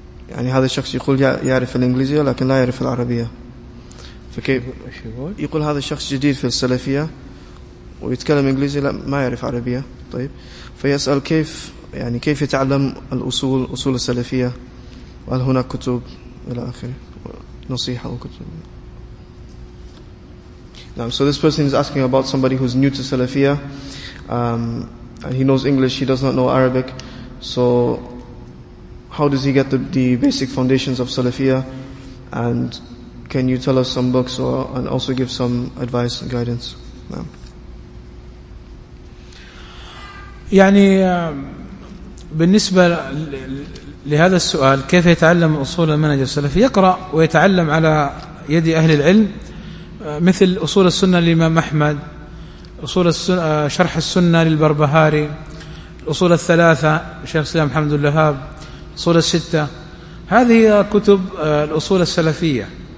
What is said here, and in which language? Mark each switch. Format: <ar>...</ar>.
<ar>يعني هذا الشخص يقول يعرف الإنجليزية لكن لا يعرف العربية، فكيف يقول هذا الشخص جديد في السلفية ويتكلم إنجليزي لا ما يعرف عربية؟ طيب فيسأل كيف، يعني كيف يتعلم الأصول، أصول السلفية، وهل هناك كتب إلى آخره، نصيحة وكتب.</ar> <en>Now, so this person is asking about somebody who's new to Salafiyah, and he knows English, he does not know Arabic. So how does he get the basic foundations of Salafiyah? And can you tell us some books and also give some advice and guidance? Yeah.</en> <ar>يعني بالنسبة لهذا السؤال كيف يتعلم أصول المنهج السلفي؟ يقرأ ويتعلم على يد أهل العلم مثل أصول السنة للإمام أحمد، أصول السنة شرح السنة للبربهاري، أصول الثلاثة شيخ الإسلام محمد اللهاب، أصول الستة، هذه كتب الأصول السلفية.</ar>